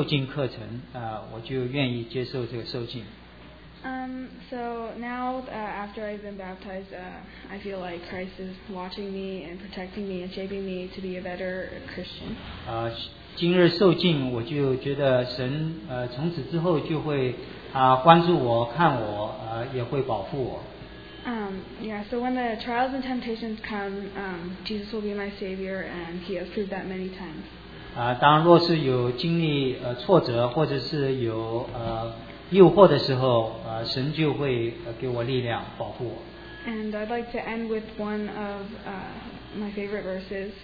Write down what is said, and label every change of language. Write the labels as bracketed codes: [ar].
[zh] 何牧师又给我们上了一个3堂的受浸课程，我就愿意接受这个受浸。 [en] So now, after I've been baptized, I feel like Christ is watching me and protecting me and shaping me to be a better Christian. [zh] 今日受浸，我就觉得神从此之后就会关注我、看我，也会保护我。 [en] So when the trials and temptations come, Jesus will be my Savior, and He has proved that many times. [zh] 当若是有经历挫折，或者是有诱惑的时候，神就会给我力量保护我。 [en] And I'd like to end with one of my favorite verses.